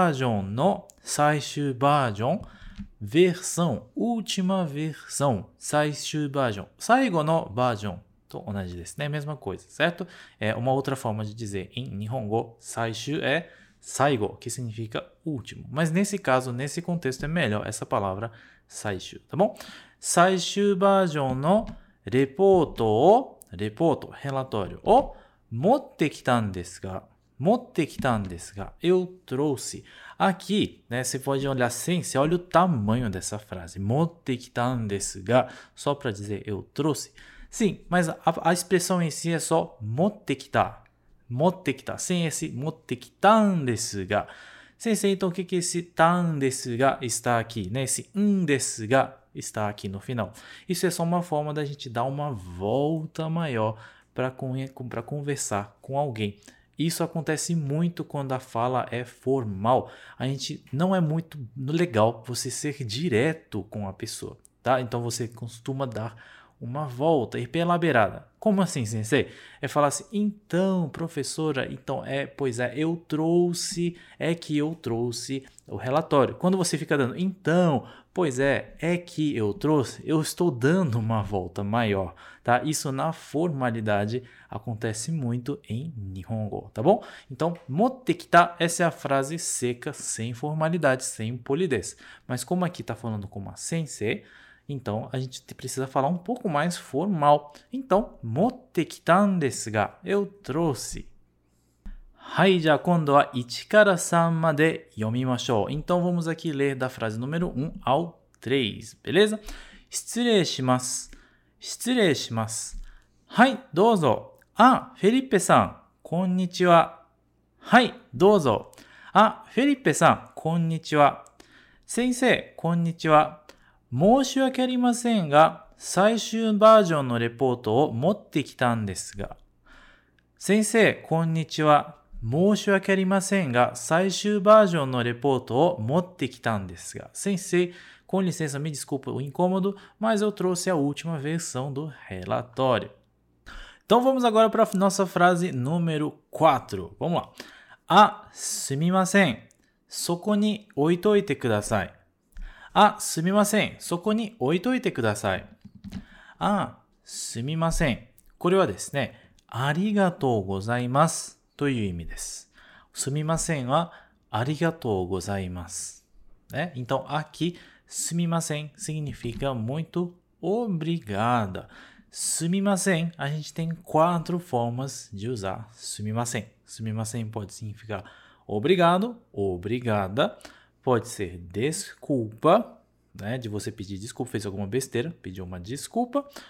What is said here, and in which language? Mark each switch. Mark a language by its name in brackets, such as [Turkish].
[Japanese] 最終バージョンの最終バージョン、 [Portuguese] versão、última versão、 [Japanese] 最終バージョン、最後のバージョンと同じですね。 [Portuguese] mesma coisa, certo? É uma outra forma de dizer em 日本語、最終é 最後、que significa último. Mas nesse caso, nesse contexto, é melhor essa palavra 最終, tá bom? [Japanese] 最終バージョンのレポートを、レポート、relatório を持ってきたんですが、持ってきたんですが、 [Portuguese] eu trouxe. Aqui, né, você pode olhar assim, você olha o tamanho dessa frase. [Japanese] 持ってきたんですが, [Portuguese] só para dizer eu trouxe. Sim, mas a expressão em si é só 持ってきた. [Japanese] 持ってきた. [Portuguese] Sem esse 持ってきたんですが. Sim, sim, então o que, que esse たんですが está aqui? Né? Esse んですが está aqui no final. Isso é só uma forma da gente dar uma volta maior para conversar com alguém. Isso acontece muito quando a fala é formal. A gente não é muito legal você ser direto com a pessoa, tá? Então você costuma dar uma volta, ir pela beirada. Como assim, sensei? É falar assim, então, professora, então, é, pois é, eu trouxe, é que eu trouxe o relatório. Quando você fica dando, então, pois é que eu trouxe, eu estou dando uma volta maior, tá? Isso na formalidade acontece muito em Nihongo, tá bom? Então, mottekita, essa é a frase seca, sem formalidade, sem polidez. Mas como aqui está falando com uma sensei, então, a gente precisa falar um pouco mais formal. Então, [Japanese] 持ってきたんですが、 [Portuguese] eu trouxe. [Japanese] はい、じゃあ今度は1から3まで読みましょう。 [Portuguese] Então, vamos aqui ler da frase número 1 ao 3, beleza? [Japanese] 失礼します。失礼します。はい、どうぞ。あ、フェリペさん、こんにちは。はい、どうぞ。あ、フェリペさん、こんにちは。先生、こんにちは。申し訳ありませんが、最終バージョンのレポートを持ってきたんですが。先生、こんにちは。申し訳ありませんが、最終バージョンのレポートを持ってきたんですが。 [Portuguese] 先生、com licença, me desculpa o incômodo, mas eu trouxe a última versão do relatório. Então vamos agora para a nossa frase número 4. Vamos lá. [Japanese] あ、すみません。そこに置いといてください。あ、すみません。そこに置いといてください。あ、すみません。これはですね、ありがとうございますという意味です。すみませんは、ありがとうございます。ね。 [Portuguese] Então, aqui, すみません significa muito obrigada. すみません、a gente tem quatro formas de usar すみません。すみません pode significar obrigado, obrigada. Pode ser desculpa, né, de você pedir desculpa, fez alguma besteira, pediu uma desculpa.